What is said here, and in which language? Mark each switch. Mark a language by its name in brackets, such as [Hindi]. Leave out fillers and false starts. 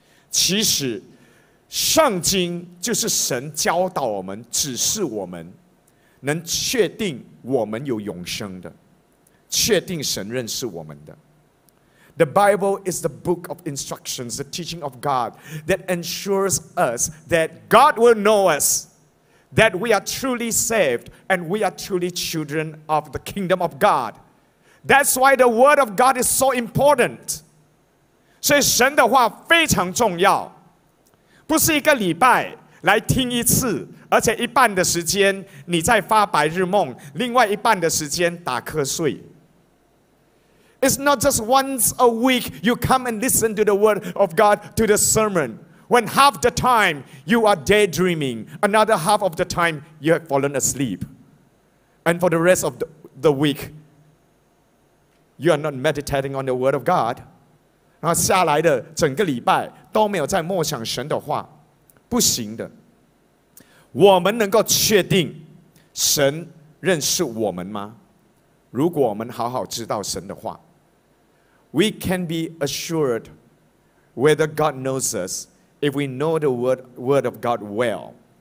[Chinese] 其实圣经就是神教导我们，指示我们能确定我们有永生的，确定神认识我们的。 [English] The Bible is the book of instructions, the teaching of God that ensures us that God will know us, that we are truly saved and we are truly children of the kingdom of God. That's why the word of God is so important. [Chinese] 所以神的话非常重要，不是一个礼拜来听一次，而且一半的时间你在发白日梦，另外一半的时间打瞌睡。 [English] It's not just once a week you come and listen to the word of God, to the sermon, when half the time you are daydreaming, another half of the time you have fallen asleep, and for the rest of the week you are not meditating on the word of God. [Chinese] 然后下来的整个礼拜都没有在默想神的话，不行的。我们能够确定神认识我们吗？如果我们好好知道神的话， [English] We can be assured whether God knows us if we know the word of God well.